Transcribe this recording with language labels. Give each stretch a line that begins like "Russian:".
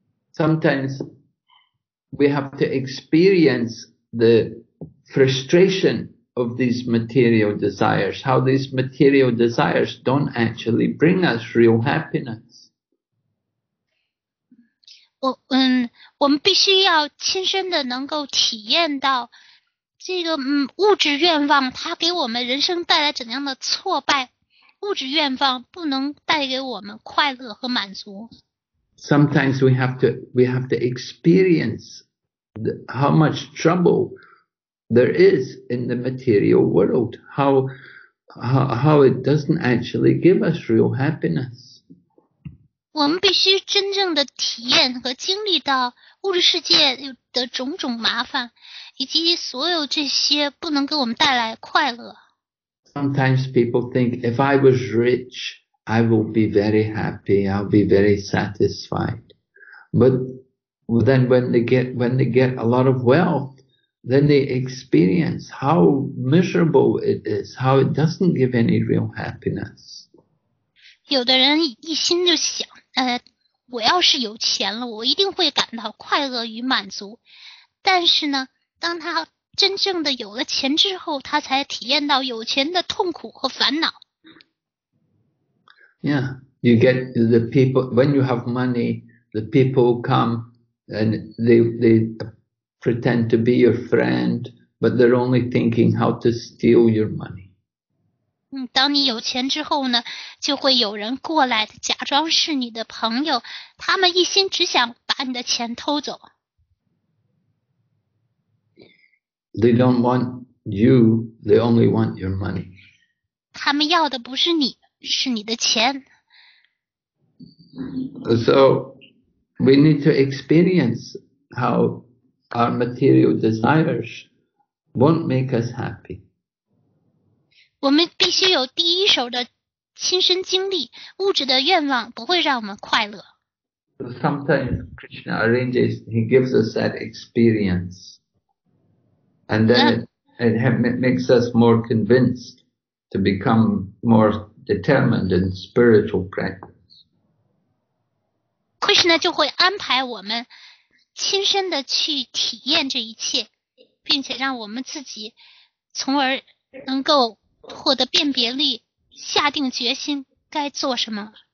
English: Sometimes we have to experience the frustration of these material desires. How these material desires don't actually bring us real happiness.
Chinese: 我们必须要亲身的能够体验到这个物质愿望它给我们人生带来怎样的挫败，物质愿望不能带给我们快乐和满足。
English: Sometimes we have to experience how much trouble there is in the material world, how it doesn't actually give us real happiness.
Chinese: 我们必须真正的体验和经历到物质世界的种种麻烦，以及所有这些不能给我们带来快乐。
English: Sometimes people think, if I was rich, I will be very happy, I'll be very satisfied. But then when they get a lot of wealth, then they experience how miserable it is, how it doesn't give any real happiness.
Chinese: 有的人一心就想，我要是有钱了，我一定会感到快乐与满足。但是呢，当他真正的有了钱之后，他才体验到有钱的痛苦和烦恼。
English: Yeah, you get the people, when you have money, the people come and they pretend to be your friend, but they're only thinking how to steal your money.
Chinese: 当你有钱之后呢，就会有人过来假装是你的朋友，他们一心只想把你的钱偷走。
English: They don't want you, they only want your money.
Chinese: 他们要的不是你，是你的钱。
English: So, we need to experience how our material desires won't make us happy.
Chinese: 我们必须有第一手的亲身经历，物质的愿望不会让我们快乐。
English: Sometimes Krishna arranges, he gives us that experience. And then it makes us more convinced to become more determined in spiritual practice.
Chinese: Krishna 就会安排我们亲身的去体验这一切，并且让我们自己从而能够获得辨别力，下定决心该做什么。